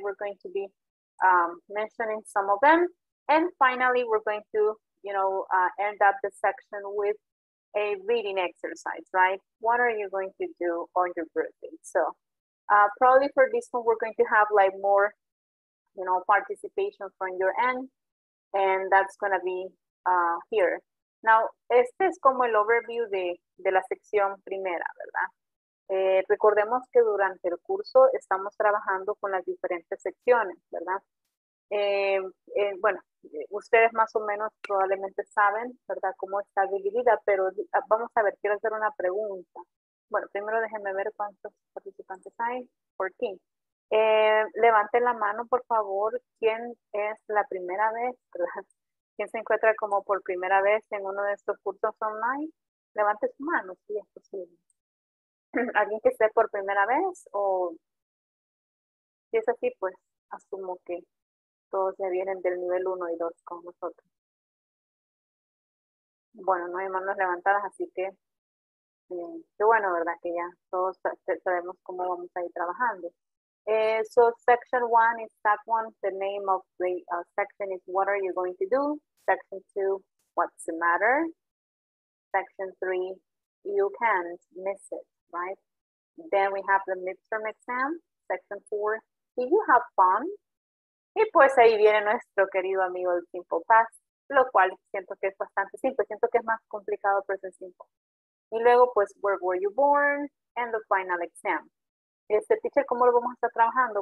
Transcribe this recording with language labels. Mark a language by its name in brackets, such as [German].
[English] We're going to be mentioning some of them. And finally, we're going to, you know, end up the section with a reading exercise, right? What are you going to do on your birthday? So probably for this one, we're going to have like more, you know, participation from your end. And that's going to be here. [Spanish] Now, este es como el overview de la sección primera, ¿verdad? Recordemos que durante el curso estamos trabajando con las diferentes secciones, ¿verdad? Bueno, ustedes más o menos probablemente saben, ¿verdad?, cómo está dividida, pero vamos a ver, quiero hacer una pregunta. Bueno, primero déjenme ver cuántos participantes hay. 14. Levanten la mano, por favor, ¿quién es la primera vez, ¿verdad? ¿Quién se encuentra como por primera vez en uno de estos cursos online? Levante su mano, si es posible. ¿Alguien que esté por primera vez? O si es así, pues asumo que todos ya vienen del nivel 1 y 2 con nosotros. Bueno, no hay manos levantadas, así que qué bueno, ¿verdad? Que ya todos sabemos cómo vamos a ir trabajando. [English] So section one is that one. The name of the section is what are you going to do? Section two, what's the matter? Section three, you can't miss it, right? Then we have the midterm exam, section 4. Did you have fun? [Spanish] Y pues ahí viene nuestro querido amigo el simple past, lo cual siento que es bastante simple. Siento que es más complicado, pero es simple. Y luego, pues, [English] where were you born? And the final exam. [Spanish] Este teacher, ¿cómo lo vamos a estar trabajando?